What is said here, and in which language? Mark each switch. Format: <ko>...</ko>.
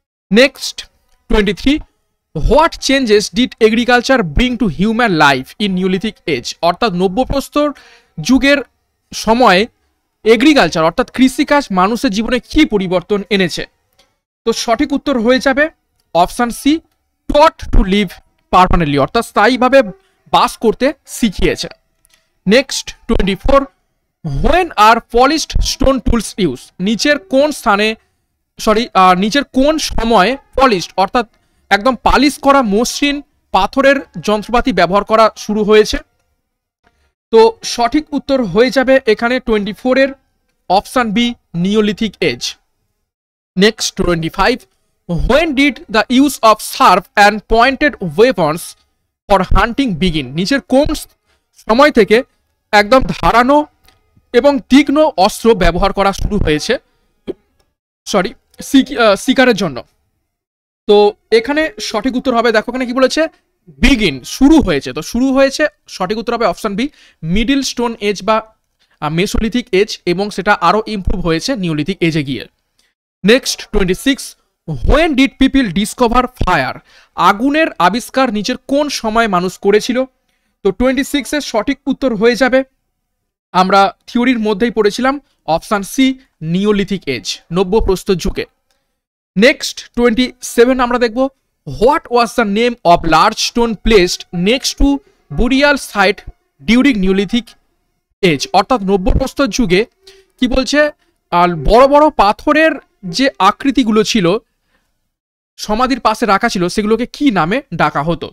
<en>next 23, what changes did agriculture bring to human life in neolithic age,</en> <bn>অর্থাৎ নব্যপ্রস্তর যুগের সময়ে agriculture অর্থাৎ কৃষিকাজ মানুষের জীবনে কী পরিবর্তন এনেছে? তো সঠিক উত্তর হয়ে যাবে option C,</bn> <en>taught to live permanently,</en> <bn>অর্থাৎ স্থায়ীভাবে বাস করতে শিখিয়েছে।</bn> <en>Next, 24. When are polished stone tools used?</en> <bn>নিচের কোন স্থানে, sorry, নিচের কোন সময়ে polished, অর্থাৎ একদম পালিশ করা মসৃণ পাথরের যন্ত্রপাতি ব্যবহার করা শুরু হয়েছে? তো সঠিক উত্তর হয়ে যাবে এখানে 24 এর option B, neolithic age.</bn> <en>Next, 25. When did the use of sharp and pointed weapons for hunting begin?</en> <bn>নিচের কোন সময় থেকে একদম ধারানো এবং তীক্ষ্ণ অস্ত্র ব্যবহার করা শুরু হয়েছে, সরি, শিকারের জন্য? তো এখানে সঠিক উত্তর হবে, দেখো এখানে কি বলেছে, বিগিন, শুরু হয়েছে। তো শুরু হয়েছে, সঠিক উত্তর হবে option B, middle stone age বা মেসোলিথিক এজ, এবং সেটা আরও ইম্প্রুভ হয়েছে নিওলিথিক এজে গিয়ে।</bn> <en>Next, 26. When did people discover fire?</en> <bn>আগুনের আবিষ্কার নিচের কোন সময় মানুষ করেছিল? তো 26 এর সঠিক উত্তর হয়ে যাবে, আমরা থিওরির মধ্যেই পড়েছিলাম, অপশান সি, নিওলিথিক এজ, নব্য প্রস্তর যুগে।</bn> <en>Next, 27</en> <bn>আমরা দেখব,</bn> <en>what was the name of large stone placed next to burial site during neolithic age,</en> <bn>অর্থাৎ নব্য প্রস্তর যুগে কি বলছে, আর বড় বড় পাথরের যে আকৃতিগুলো ছিল, সমাধির পাশে রাখা ছিল, সেগুলোকে কি নামে ডাকা হতো?</bn>